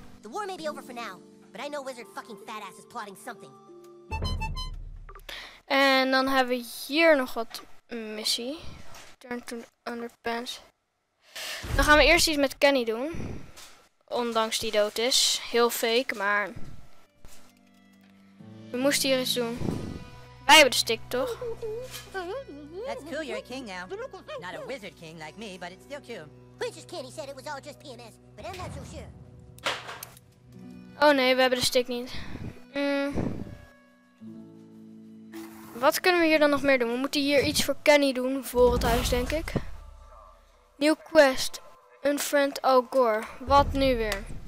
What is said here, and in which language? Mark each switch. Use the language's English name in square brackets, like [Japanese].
[English] The war may be over for now, but I know wizard fucking fat ass is plotting something. [Dutch] En dan hebben we hier nog wat missie. [English] Turn to underpants. [Dutch] Dan gaan we eerst iets met Kenny doen. Ondanks die dood is. Heel fake, maar we moesten hier iets doen. Wij hebben de stick, toch? [English] That's cool, you're a king now. Not a wizard king like me, but it's still cool. Princess Candy said it was all just PMS, but I'm not so sure. [Dutch] Oh nee, we hebben de stick niet. Wat kunnen we hier dan nog meer doen? We moeten hier iets voor Kenny doen voor het huis, denk ik. Nieuw quest. [English] Unfriend Al Gore. [Dutch] Wat nu weer?